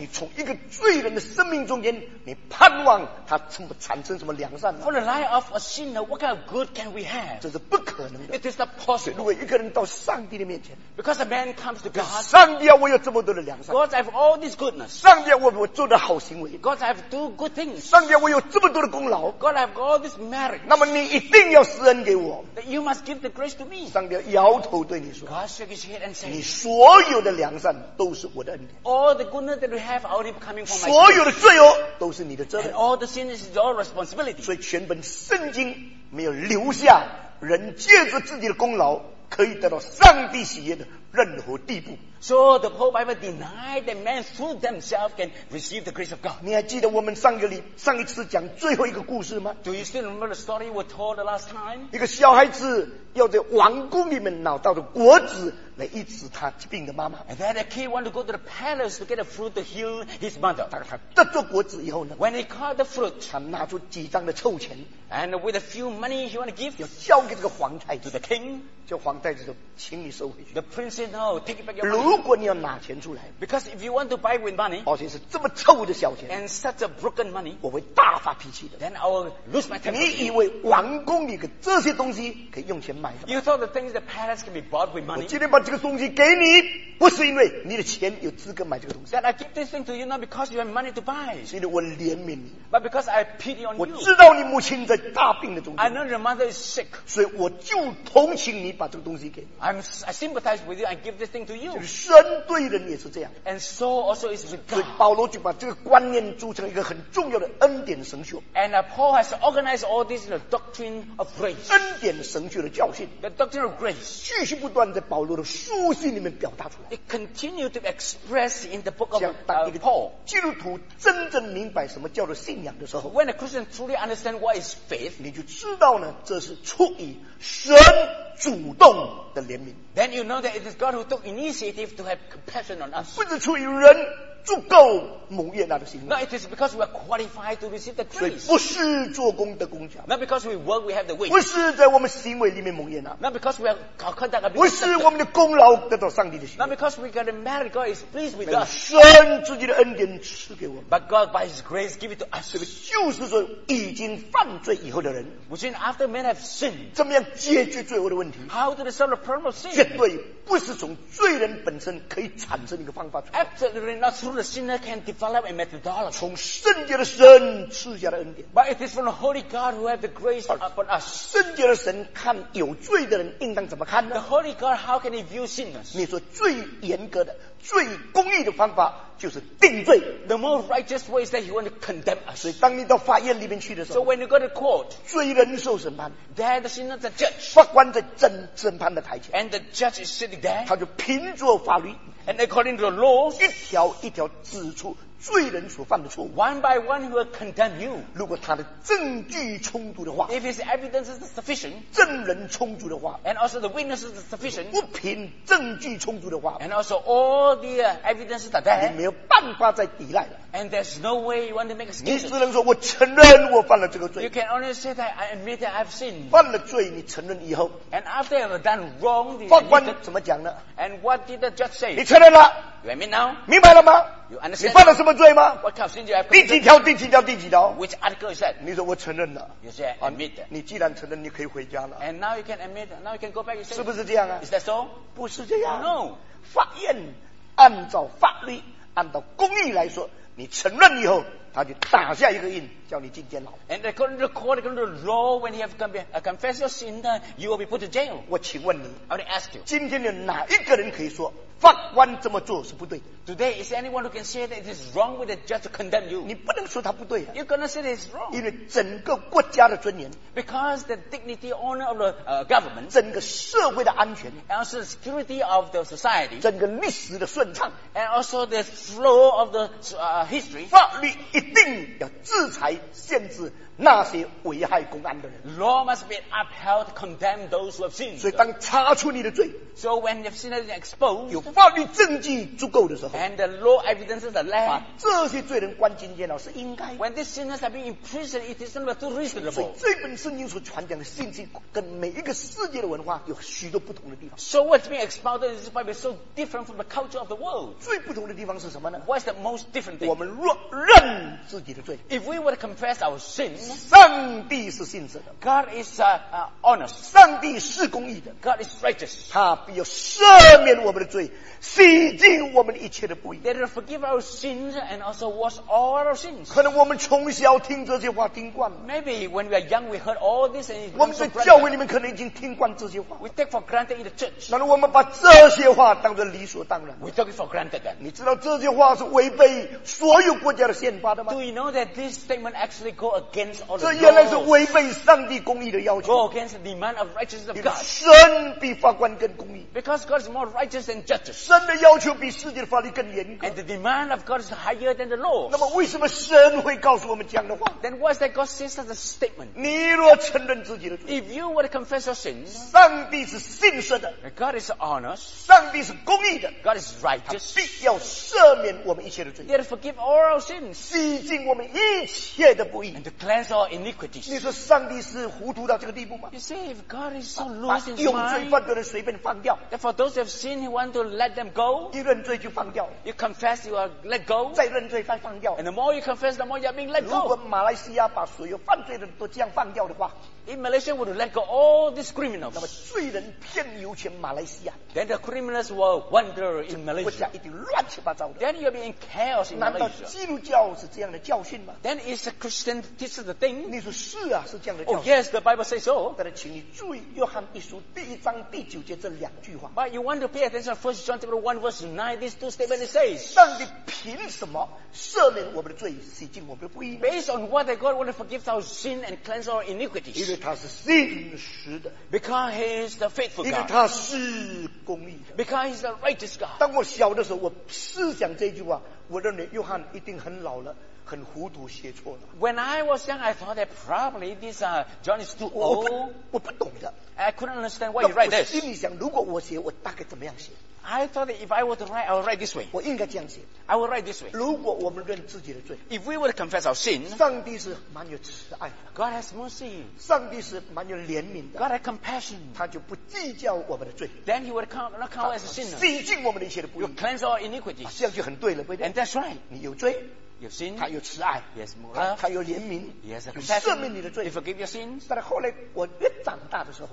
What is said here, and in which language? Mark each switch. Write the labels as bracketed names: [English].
[Chinese] 你从一个罪人的生命中间，你盼望他产生什么良善 [English] ？For the life of a sinner, what kind of good can we have? [Chinese] 这是不可能的。 [English] It is not possible. [Chinese] 如果一个人到上帝的面前 [English] ，Because a man comes to God. [Chinese] 上帝啊，我有这么多。 [English] God, I have all this goodness. [Chinese] 上帝，我做的好行为。 [English] God, I have do good things. [Chinese] 上帝，我有这么多的功劳。 [English] God, I have all this merit. [Chinese] 那么你一定要施恩给我。 [English] That you must give the grace to me. [Chinese] 上帝摇头对你说。 [English] God shook his head and said, [Chinese] 你所有的良善都是我的恩典。 [English] All the goodness that we have already coming from my. [Chinese] 所有的罪恶都是你的责任。 [English] And all the sins is your responsibility. [Chinese] 所以全本圣经没有留下人借着自己的功劳可以得到上帝喜悦的任何地步。 [English] So the whole Bible denied that man through themselves can receive the grace of God. [Chinese] 你还记得我们上一次讲最后一个故事吗 [English] ？Do you still remember the story we told the last time? [Chinese] 一个小孩子要在王宫里面拿到的果子来医治他病的妈妈。 [English] And that a kid wanted to go to the palace to get a fruit to heal his mother. [Chinese] 当他得着果子以后呢 [English] ？When he got the fruit, [Chinese] 他拿出几张的臭钱 [English] ，and with a few money he wanted to give, [Chinese] 要交给这个皇太子 [English] to the king. [Chinese] 叫皇太子说，请你收回去。 [English] The prince said, "No, take it back your money." [Chinese] 如果你要拿钱出来 [English] ，because if you want to buy with money， [Chinese] 而且是这么臭的小钱 [English] ，and such a broken money， [Chinese] 我会大发脾气的。 [English] Then I will lose my temper. [Chinese] 你以为王宫里的这些东西可以用钱买的 [English] ？You thought the things the palace can be bought with money？ [Chinese] 我今天把这个东西给你，不是因为你的钱有资格买这个东西。 [English] That I give this thing to you not because you have money to buy， [Chinese] 是因为我怜悯你 [English] ，but because I pity on you。 [Chinese] 我知道你母亲在大病的中间 [English] ，I know your mother is sick， [Chinese] 所以我就同情你把这个东西给你。 [English] I sympathize with you. I give this thing to you。 [Chinese] 神对人也是这样 [English] ，and so also is with God。 [Chinese] 所以保罗就把这个观念铸成一个很重要的恩典神学。 [English] And Paul has organized all this in the doctrine of grace。 [Chinese] 恩典神学的教训 [English] ，the doctrine of grace， [Chinese] 继续不断在保罗的书信里面表达出来。 [English] It continued to express in the book of Paul。 [Chinese] 当一个基督徒真正明白什么叫做信仰的时候 [English] ，when a Christian truly understand what is faith， [Chinese] 你就知道呢，这是出于神主动的怜悯。 [English] Then you know that it is God who took initiative to have compassion on us. [Chinese] 不是出于人足够蒙悦纳的心。 [English] No, it is because we are qualified to receive the grace. [Chinese] 所以不是做工的功效。 [English] Not because we work, we have the wage. [Chinese] 不是在我们行为里面蒙悦纳。 [English] Not because we have conduct. [Chinese] 不是我们的功劳得到上帝的心。 [English] Not because we got a merit, God is pleased with us. [Chinese] 神自己的恩典赐给我们。 [English] But God by His grace give it to us. [Chinese] 所以就是说，已经犯罪以后的人 [English] ，which is after men have sinned， [Chinese] 怎么样解决罪恶的问题 [English] ？How to solve the problem of sin？ [Chinese] 绝对不是从罪人本身可以产生一个方法出来。 [English] Absolutely not true. The sinner can develop a methodology. [Chinese] 从圣洁的神赐下的恩典。 [English] But it is from the Holy God who have the grace upon us. [Chinese] 圣洁的神看有罪的人应当怎么看呢 [English] ？The Holy God, how can he view sinners? [Chinese] 你说最严格的、最公义的方法就是定罪。 [English] The more righteous way is that he want to condemn us. [Chinese] 所以当你到法院里面去的时候 [English] ，So when you go to court, [Chinese] 罪人受审判 [English] ，There the sinner the judge. [Chinese] 法官在审判的台前 [English] ，And the judge is sitting there. [Chinese] 他就凭着法律。 [English] And according to the laws, [Chinese] 一条一条指出罪人所犯的错误。 [English] One by one will condemn you. [Chinese] 如果他的证据充足的话 [English] ，If his evidence is sufficient， [Chinese] 证人充足的话 [English] ，And also the witnesses is sufficient， [Chinese] 物品证据充足的话 [English] ，And also all the evidence that there， [Chinese] 你没有办法再抵赖了。 [English] And there's no way you want to make excuses. [Chinese] 你只能说我承认我犯了这个罪。 [English] You can only say that I admit that I've sinned. [Chinese] 犯了罪，你承认以后 [English] ，And after I've done wrong， [Chinese] 法官怎么讲呢 [English] ？And what did the judge say？ [Chinese] 你承认了。 [English] You admit now? [Chinese] 明白了吗 [English] you understand [Chinese] 你犯了什么罪吗 [English] What kind of sin do you have [Chinese] 第几条第几条第几条 [English] Which article is that? [Chinese] 你说我承认了 [English] You say admit、啊、 [Chinese] 你既然承认你可以回家了 [English] And now you can admit Now you can go back you say, [Chinese] 是不是这样啊 [English] Is that so? [Chinese] 不是这样 [English] No [Chinese] 法院按照法律按照公义来说你承认以后他就打下一个印叫你进监牢 [English] And according to the court according to the law when you have confessed your sin you will be put to jail [Chinese] 我请问你 [English] I want to ask you [Chinese] 今天有哪一个人可以说法官这么做是不对的 [English] Today is anyone who can say that it is wrong with the judge to condemn you [Chinese] 你不能说他不对、啊、 [English] You cannot say that it is wrong [Chinese] 因为整个国家的尊严 [English] Because the dignity honor of the government [Chinese] 整个社会的安全 [English] And also the security of the society [Chinese] 整个历史的顺畅 [English] And also the flow of the history [Chinese] 法律一定要制裁限制那些危害公安的人 [English] Law must be upheld to condemn those who have sinned [Chinese] 所以当查出你的罪 [English] So when you have sinned and exposed [Chinese] 有法律证据足够的时候 [English] And the law evidence is allowed [Chinese] 把这些罪人关进监牢是应该 [English] When these sinners have been in prison it is not too reasonable [Chinese] 所以这本圣经所传讲的信息跟每一个世界的文化有许多不同的地方 [English] So what's being expounded is probably so different from the culture of the world [Chinese] 最不同的地方是什么呢 [English] What's the most different thing [Chinese] 我们若认自己的罪 [English] If we were to confess our sins [Chinese] 上帝是信实的 [English] God is honest [Chinese] 上帝是公义的 [English] God is righteous [Chinese] 他必要赦免我们的罪洗净我们一切的不义 [English] That will forgive our sins and also wash all our sins [Chinese] 可能我们从小听这些话听惯了 [English] Maybe when we are young we heard all this and [Chinese] 我们在教会里面可能已经听惯这些话 [English] We take for granted in the church [Chinese] 然后我们把这些话当作理所当然 [English] We take it for granted then [Chinese] 你知道这些话是违背所有国家的宪法的吗 [English] Do you know that this statement actually go against [Chinese] 这原来是违背上帝公义的要求 [English] Go against the demand of righteousness of God [Chinese] 因为神比法官更公义 [English] Because God is more righteous than judges [Chinese] 神的要求比世界的法律更严格 [English] And the demand of God is higher than the law [Chinese] 那么为什么神会告诉我们这样的话 [English] Then what is that God says as a statement [Chinese] 你若承认自己的罪 [English] If you were to confess your sins [Chinese] 上帝是信实的 [English] God is honest [Chinese] 上帝是公义的 [English] God is righteous [Chinese] 必要赦免我们一切的罪 [English] He will forgive all our sins [Chinese] 洗净我们一切的不义 [English] And to cleanse Or iniquities. [Chinese] 你说上帝是糊涂到这个地步吗 [English] You say if God is so loose in his mind [Chinese] 把有罪犯的人随便放掉 [English] For those who have sinned He want to let them go [Chinese] 一认罪就放掉 [English] You confess you are let go [Chinese] 再认罪再放掉 [English] And the more you confess The more you are being let go [Chinese] 如果马来西亚把所有犯罪的人都这样放掉的话 [English] If Malaysia would let go all these criminals [Chinese] 那么罪人遍游全马来西亚 [English] Then the criminals will wander in Malaysia [Chinese] 国家一定乱七八糟的 [English] Then you will be in chaos in Malaysia [Chinese] 难道基督教是这样的教训吗 [English] Then is a Christian teaches the [Chinese] thing 你说是啊是这样的教 [English] 训 Oh yes the Bible says so [Chinese] 但是请你注意约翰一书第一章第九节这两句话 [English] But you want to pay attention First John chapter 1 verse 9 These two statements it says [Chinese] 上帝凭什么赦免我们的罪洗净我们的不义 [English] Based on what that God want to forgive our sin and cleanse our iniquities [Chinese] 因为他是信实的 [English] Because he is the faithful God [Chinese] 因为他是公义的 [English] Because he is the righteous God [Chinese] 当我小的时候我思想这句话我认为约翰一定很老了很糊涂写错了 [English] When I was young I thought that probably this John is too old [Chinese] 我不懂的 [English] I couldn't understand why you write this [Chinese] 我心里想如果我写我大概怎么样写 [English] I thought that if I were to write I would write this way [Chinese] 我应该这样写 [English] I would write this way [Chinese] 如果我们认自己的罪 [English] If we were to confess our sin [Chinese] 上帝是蛮有慈爱的 [English] God has mercy [Chinese] 上帝是蛮有怜悯的 [English] God has compassion [Chinese] 他就不计较我们的罪 [English] Then he would not count as a sinner [Chinese] 洗净我们的一切的不义 [English] You cleanse our iniquities [Chinese] 这样就很对了对不对 [English] And that's right [Chinese] 你有罪 [English] You've seen? [Chinese] 他有慈爱 [English] yes, [Chinese] 他有怜悯 [English] yes, [Chinese] 有赦免你的罪 [English] you forgive your sins. [Chinese] 但是后来我越长大的时候